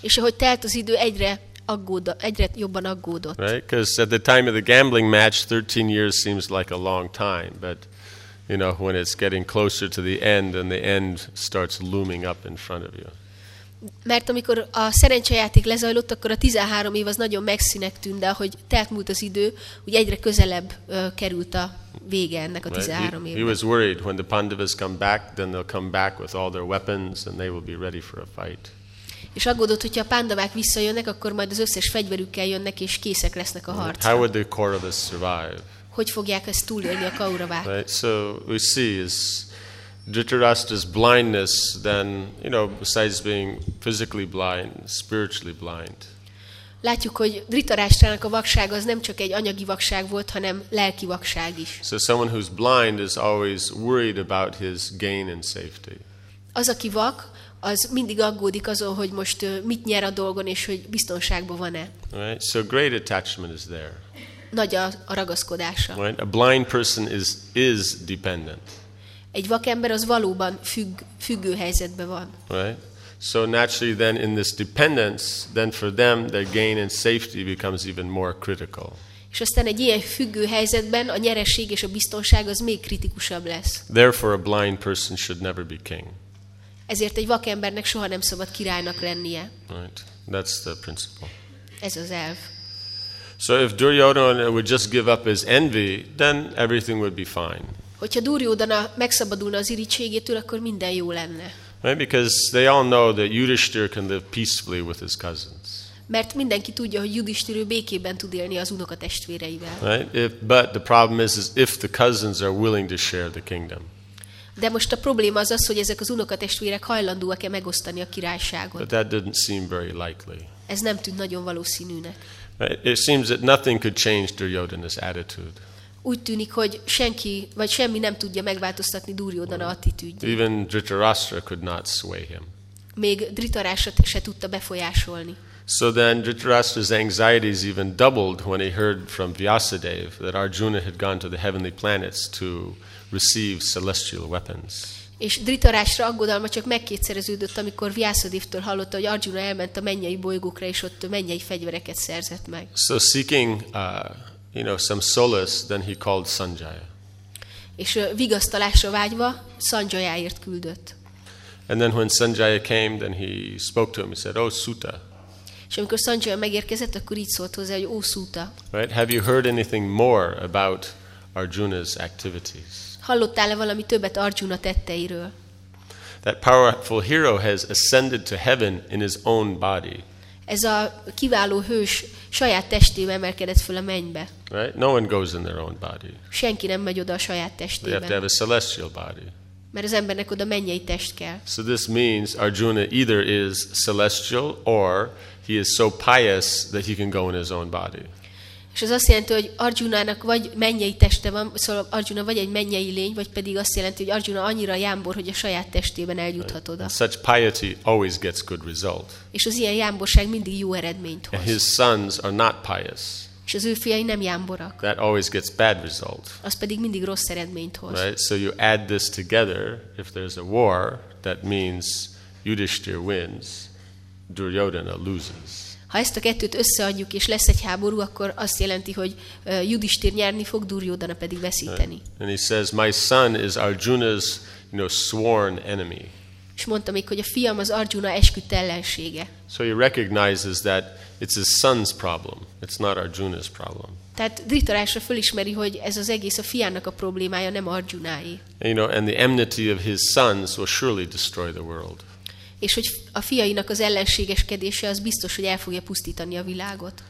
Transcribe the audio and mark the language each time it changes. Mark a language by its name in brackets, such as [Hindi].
[Hungarian] És ahogy telt az idő, egyre jobban aggódott. [English] Right, because at the time of the gambling match, 13 years seems like a long time, but you know, when it's getting closer to the end and the end starts looming up in front of you. [Hungarian] Mert amikor a szerencsejáték lezajlott, akkor a 13 év az nagyon megszínek tűnt, de ahogy telt múlt az idő, úgy egyre közelebb került a vége ennek a 13 évnek. [English] He was worried when the Pandavas come back, then they'll come back with all their weapons and they will be ready for a fight. [Hungarian] És aggódott, hogyha a Pandavák visszajönnek, akkor majd az összes fegyverükkel jönnek és készek lesznek a harcra. [English] How would the Kauravas survive? [Hungarian] Hogy fogják ezt túlélni a Kauravák? [English] Right, so we see is Dhritarashtra's blindness then, you know, besides being physically blind, spiritually blind. [Hungarian] Látjuk, hogy Dhritarashtrának a vaksága az nem csak egy anyagi vakság volt, hanem lelki vakság is. [English] So someone who's blind is always worried about his gain and safety. [Hungarian] Az, aki vak, az mindig aggódik azon, hogy most mit nyer a dolgon, és hogy biztonságban van-e. [English] Right? So great attachment is there. [Hungarian] Nagy a ragaszkodása. [English] Right? A blind person is dependent. [Hungarian] Egy vakember az valóban függő helyzetben van. [English] Right. So naturally then in this dependence, then for them their gain and safety becomes even more critical. [Hungarian] És aztán egy ilyen függő helyzetben a nyereség és a biztonság az még kritikusabb lesz. [English] Therefore a blind person should never be king. [Hungarian] Ezért egy vakembernek soha nem szabad királynak lennie. [English] Right. That's the principle. [Hungarian] Ez az elv. [English] So if Duryodhana would just give up his envy, then everything would be fine. [Hungarian] Hogyha Duryodhana megszabadulna az irigységétől, akkor minden jó lenne. [English] Right, because they all know that Yudhishthira can live peacefully with his cousins. [Hungarian] Mert mindenki tudja, hogy Yudhishthira békében tud élni az unokatestvéreivel. [English] Right, but the problem is if the cousins are willing to share the kingdom. [Hungarian] De most a probléma az, hogy ezek az unokatestvérek hajlandóak-e megosztani a királyságot. [English] But that didn't seem very likely. [Hungarian] Ez nem tűnt nagyon valószínűnek. [English] Right, it seems that nothing could change Duryodhana's attitude. [Hungarian] Úgy tűnik, hogy senki vagy semmi nem tudja megváltoztatni Duryodhana attitűdjét. [English] Even Dhritarashtra could not sway him. [Hungarian] Még Dhritarashtra se tudta befolyásolni. [English] So then Dhritarashtra's anxieties even doubled when he heard from Vyasadeva that Arjuna had gone to the heavenly planets to receive celestial weapons. [Hungarian] És Dhritarashtra aggodalma csak megkétszereződött, amikor Vyasadevtől hallotta, hogy Arjuna elment a mennyei bolygókra és ott mennyei fegyvereket szerzett meg. [English] So seeking you know, some solace, then he called Sanjaya. [Hungarian] És vigasztalásra vágyva, Sanjayáért küldött. [English] And then when Sanjaya came, then he spoke to him, he said, oh, Suta. [Hungarian] És amikor Sanjaya megérkezett, akkor így szólt hozzá, hogy oh, Suta. [English] Right? Have you heard anything more about Arjuna's activities? [Hungarian] Hallottál-e valami többet Arjuna tetteiről? [English] That powerful hero has ascended to heaven in his own body. [Hungarian] Ez a kiváló hős saját testében emelkedett föl a mennybe. [English] Right? No one goes in their own body. [Hungarian] Senki nem megy oda a saját testében. [English] They have to have a celestial body. [Hungarian] Mert az embernek oda mennyei test kell. [English] So this means Arjuna either is celestial or he is so pious that he can go in his own body. [Hungarian] És ez azt jelenti, hogy Arjunának vagy mennyei teste van, szóval Arjuna vagy egy mennyei lény, vagy pedig azt jelenti, hogy Arjuna annyira jámbor, hogy a saját testében eljuthat oda. [English] And such piety always gets good result. [Hungarian] És az ilyen jámborság mindig jó eredményt hoz. [English] And his sons are not pious. [Hungarian] És az ő fiai nem jámborak. [English] That always gets bad result. [Hungarian] Az pedig mindig rossz eredményt hoz. [English] Right? So you add this together, if there's a war, that means Yudhishthira wins, Duryodhana loses. [Hungarian] Ha ezt a kettőt összeadjuk és lesz egy háború, akkor azt jelenti, hogy Yudhishthira nyerni fog, Duryodhana pedig veszíteni. [English] And he says, my son is Arjuna's, you know, sworn enemy. [Hungarian] És mondta még, hogy a fiam az Arjuna esküdt ellensége. [English] So he recognizes that it's his son's problem, it's not Arjuna's problem. [Hungarian] Tehát Dhritarashtra fölismeri, hogy ez az egész a fiának a problémája, nem Arjunáé. [English] You know, and the enmity of his sons will surely destroy the world. [Hungarian] És hogy a fiainak az ellenségeskedése az biztos, hogy el fogja pusztítani a világot.